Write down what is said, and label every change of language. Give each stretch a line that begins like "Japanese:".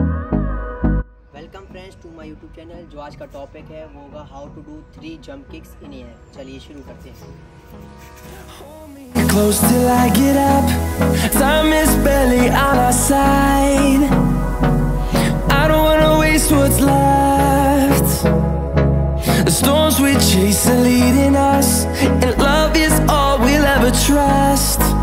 Hindi: YouTube channel. जो आज का टॉपिक है वो होगा
English: How to do 3 jump kicks in air.
Hindi: चलिए शुरू करते हैं।
English: Close till I get up, time is barely on our side. I don't wanna waste what's left. The storms we chase are leading us, and love is all we'll ever trust.